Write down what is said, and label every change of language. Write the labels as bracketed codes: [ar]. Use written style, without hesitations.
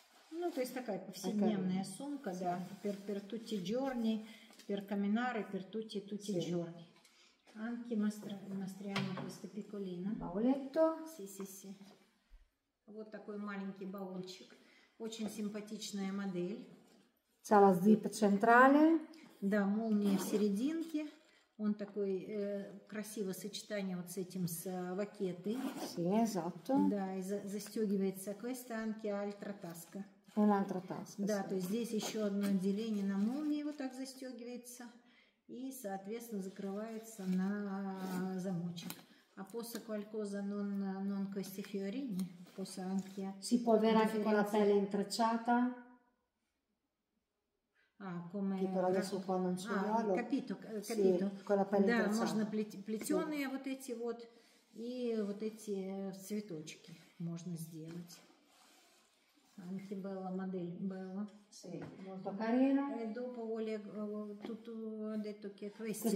[ru] Ну, то есть такая повседневная сумка, да, [it] per tutti giorni. Per camminare, per tutti i giorni. Anche mastriamo questo piccolino bauletto. Sì, sì, sì. [ru] Вот такой маленький баулчик. Очень симпатичная модель. [it] C'è la zip centrale. [ru] Да, молния в серединке. Он такой красивое сочетание вот с этим с вакетой. [it] Sì, esatto. [ru] Да, и застегивается [it] questa anche altra tasca. Un'altra tasca. [ru] Да, [it] sì. [ru] То есть здесь еще одно отделение на молнии вот так застегивается и, соответственно, закрывается на замочек. [it] A posa qualcosa non questi fiorini, posa anche. Si può avere anche con la pelle intrecciata? Ah, come. Tipo adesso qua non c'è. Ah, capito, capito. Sì, con la pelle da, intrecciata. [ru] Можно плетеные sì. Вот эти вот и вот эти цветочки можно сделать. [it] Anche bella modella, bella. Sì, molto carina. E dopo vuole tutto ha detto che questi